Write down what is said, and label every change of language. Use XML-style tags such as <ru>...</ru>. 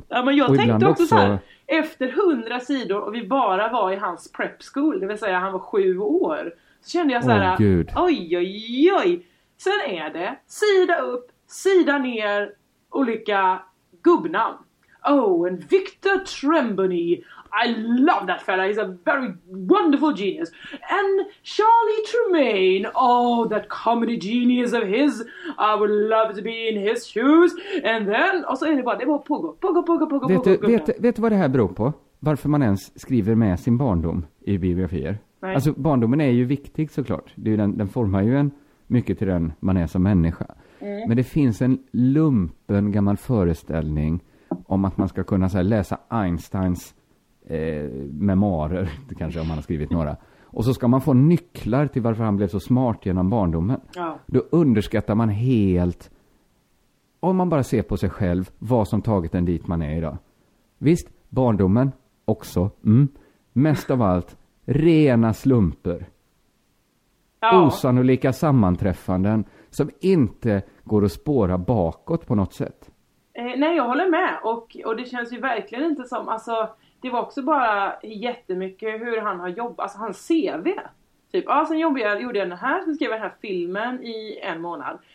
<sv>Ja, men jag tänkte också så här, efter 100 sidor och vi bara var i hans prep school, det vill säga han var 7 år. Så kände jag så här, Gud. Oj, oj, oj. Sen är det sida upp, sida ner, olika gubbnamn.</sv> <en>Oh, and Victor Trembony. I love that fella. He's a very wonderful genius. And Charlie Tremaine. Oh, that comedy genius of his. I would love to be in his shoes. And then,</en> <sv>och så är det bara, det var pågå. Vet du vad det här beror på? Varför man ens skriver med sin barndom i biografier? Nej. Alltså, barndomen är ju viktig såklart. Det är ju den formar ju en... Mycket till den man är som människa. Mm. Men det finns en lumpen gammal föreställning om att man ska kunna så här läsa Einsteins memoarer, kanske om man har skrivit några. Och så ska man få nycklar till varför han blev så smart genom barndomen. Ja. Då underskattar man helt, om man bara ser på sig själv, vad som tagit en dit man är idag. Visst, barndomen också. Mm. Mest av allt, rena slumper. Ja. Osannolika sammanträffanden som inte går att spåra bakåt på något sätt. Nej, jag håller med. Och det känns ju verkligen inte som... Alltså, det var också bara jättemycket hur han har jobbat. Alltså, hans CV. Typ, ja, sen gjorde jag den här. Sen skrev jag den här filmen i en månad.</sv>